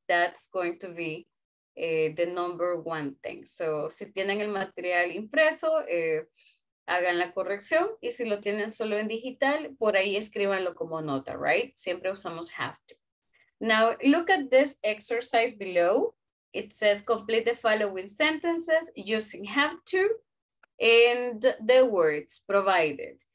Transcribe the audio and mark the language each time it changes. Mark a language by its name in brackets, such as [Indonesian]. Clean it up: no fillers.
[English] That's going to be the number one thing. [Spanish] So, si tienen el material impreso, hagan la corrección. Y si lo tienen solo en digital, por ahí escríbanlo como nota, right? Siempre usamos [English] have to. Now, look at this exercise below. It says complete the following sentences using have to and the words provided.